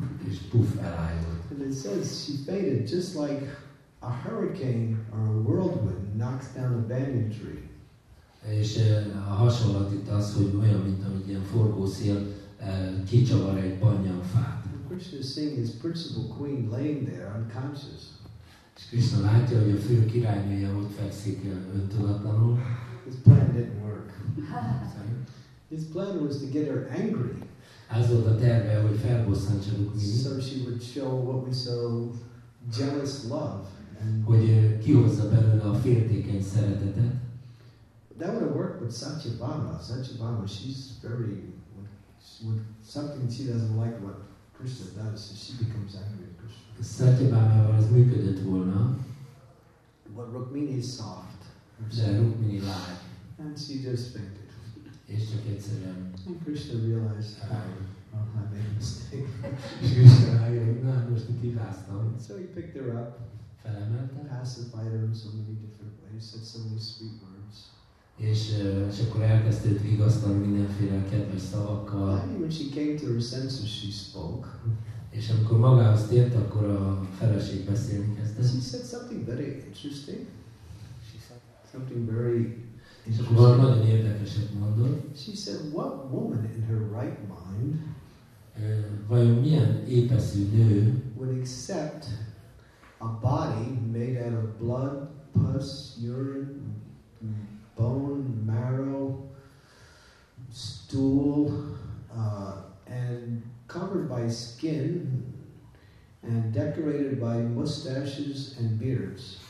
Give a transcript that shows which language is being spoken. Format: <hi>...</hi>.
<hu>És puff, elájult.</hu> <en>And it says she fainted just like a hurricane or a whirlwind knocks down a banyan tree.</en> <hu>És a hasonlat itt az, hogy olyan, mint amit ilyen forgó szél kicsavar egy banyan fát.</hu> <en>And Krishna is seeing his principal queen laying there unconscious.</en> <hu>És Krishna látja, hogy a fő királynője ott fekszik öntudatlanul.</hu> <en>His plan didn't work. His plan was to get her angry.</en> <hu>Az volt a terve, hogy felbosszantsa Rukmini.</hu> <en>So she would show what we saw, jealous love.</en> <hu>Hogy kihozza belőle a féltékeny szeretetet.</hu> <en>That would have worked with Satyabhama. Satyabhama, she's very, with something she doesn't like what Krishna does, so she becomes angry at Krishna.</en> <hu>Satyabhama az működött volna.</hu> <en>But Rukmini is soft.</en> <hu>De Rukmini lágy.</hu> <en>And she just fainted.</en> <hu>És csak egyszerűen.</hu> <en>And Krishna realized, I made a mistake.</en> <hu>És Krishna rájött, na, most itt hibáztam.</hu> <en>So he picked her up.</en> <hu>Felemelte.</hu> <en>Pacified her in so many different ways, said so many sweet words.</en> <hu>És akkor elkezdett vigasztani mindenféle kedves szavakkal.</hu> <en>When she came to her senses, she spoke.</en> <hu>És amikor magához tért, akkor a feleség beszélni kezdte.</hu> <en>She said something very interesting. She said something very interesting.</en> <hu>És akkor nagyon érdekeset mondott.</hu> <en>She said, what woman in her right mind</en> <hu>vajon milyen épeszű nő</hu> <en>would accept a body made out of blood, pus, urine, bone, marrow, stool, and covered by skin, and decorated by mustaches and beards.</en>